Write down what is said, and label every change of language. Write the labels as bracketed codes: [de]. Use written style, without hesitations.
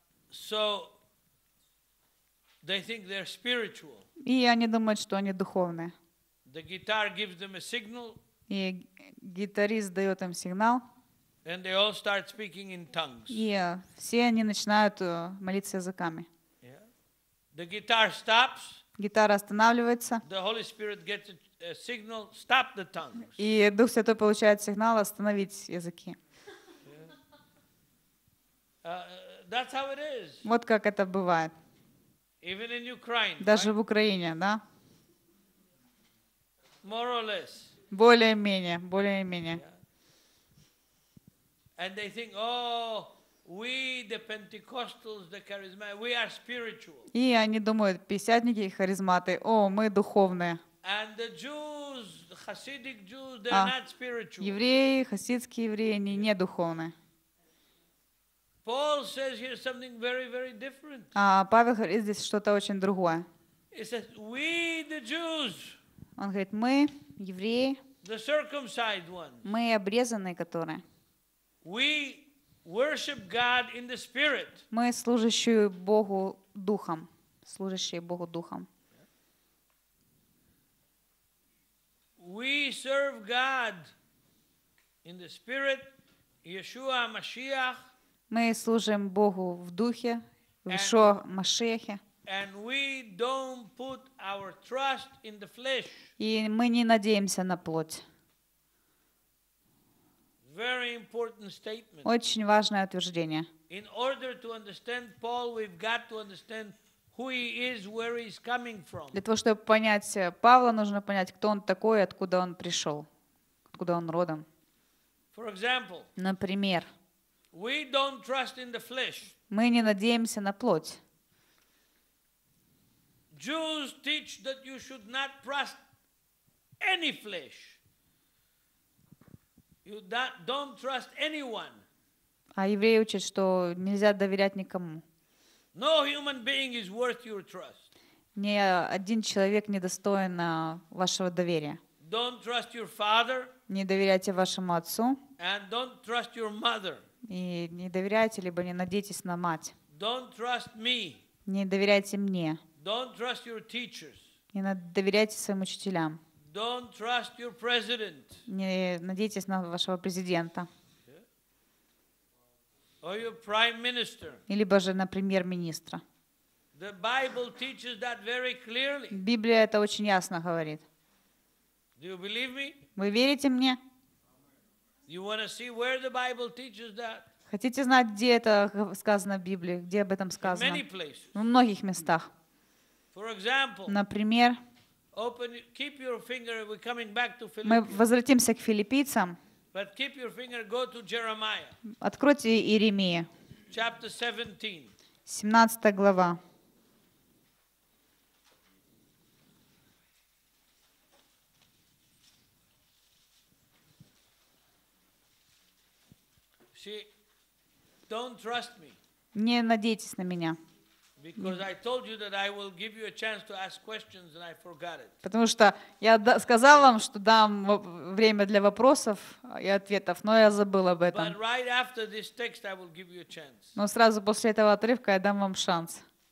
[en] So they think they're spiritual. [ru] И они думают, что они духовные. [en] The guitar gives them a signal. [ru] И гитарист дает им сигнал. [en] And they all start speaking in tongues. [ru] И все они начинают молиться языками. [en] Yeah. The guitar stops. [ru] Гитара останавливается. [en] The Holy Spirit gets a signal, stop the tongues. [ru] И Дух Святой получает сигнал остановить языки. [en] That's how it is. [ru] Вот как это бывает. [en] Even in Ukraine, [ru] даже [en] right? [ru] В Украине, да? [en] More or less. [ru] Более-менее. [en] Yeah. And they think, oh, we the Pentecostals, the charismatic, we are spiritual. [ru] И они думают, пятидесятники, харизматы, о, мы духовные. [en] And the Jews, the Hasidic Jews, they're not spiritual. [ru] Евреи, хасидские евреи, они не духовные. [en] Paul says here something very, very different. [ru] Павел говорит здесь что-то очень другое. [en] He says, we the Jews. [ru] Он говорит, мы евреи. [en] The circumcised ones. [ru] Мы обрезанные, которые. [en] We worship God in the spirit. [ru] Мы служащие Богу духом. Служащие Богу духом. [en] We serve God in the spirit, Yeshua Mashiach. [ru] Мы служим Богу в духе, в Ишуа Машехе. [en] And we don't put our trust in the flesh. [ru] И мы не надеемся на плоть. [en] Very important statement. [ru] Очень важное утверждение. [en] In order to understand Paul, we've got to understand who he is, where he's coming from. [ru] Для того, чтобы понять Павла, нужно понять, кто он такой, откуда он пришел, откуда он родом. [en] For example. [ru] Например. [en] We don't trust in the flesh. [ru] Мы не надеемся на плоть. [en] Jews teach that you should not trust any flesh. You don't trust anyone. [ru] А евреи учат, что нельзя доверять никому. [en] No human being is worth your trust. [ru] Ни один человек не достоин вашего доверия. [en] Don't trust your father. [ru] Не доверяйте вашему отцу. [en] And don't trust your mother. [ru] И не доверяйте, либо не надейтесь на мать. [en] Don't trust me. [ru] Не доверяйте мне. [en] Don't trust your teachers. [ru] Не доверяйте своим учителям. [en] Don't trust your president. [ru] Не надейтесь на вашего президента. [en] Or your prime minister. [ru] Или даже на премьер-министра. [en] The Bible teaches that very clearly. [ru] Библия это очень ясно говорит. [en] Do you believe me? [ru] Вы верите мне? [en] You want to see where the Bible teaches that? [ru] Хотите знать, где это сказано в Библии, где об этом сказано? [en] In many places. [ru] В многих местах. [en] For example. [ru] Например. [en] Open, keep your finger. We're coming back to Philippians. [ru] Мы возвратимся к филиппийцам. [en] But keep your finger. Go to Jeremiah. [ru] Откройте Иеремия. [en] Chapter 17. [ru] 17 глава. [en] See, don't trust me. [ru] Не надейтесь на меня. [en] Because I told you that I will give you a chance to ask questions and I forgot it. [ru] Потому что я сказал вам, что дам время для вопросов и ответов, но я забыл об этом. [en] But right after this text I will give you a chance. [ru] Но сразу после этого отрывка я дам вам шанс.